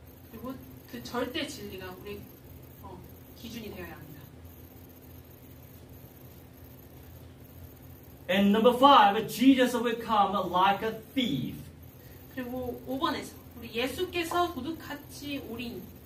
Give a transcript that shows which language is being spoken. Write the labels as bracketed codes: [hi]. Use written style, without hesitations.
[ko] 그리고 그 절대 진리가 우리 기준이 되어야 합니다. [en] And number five, Jesus will come like a thief. [ko] 그리고 5번에서 우리 예수께서 도둑같이 오린.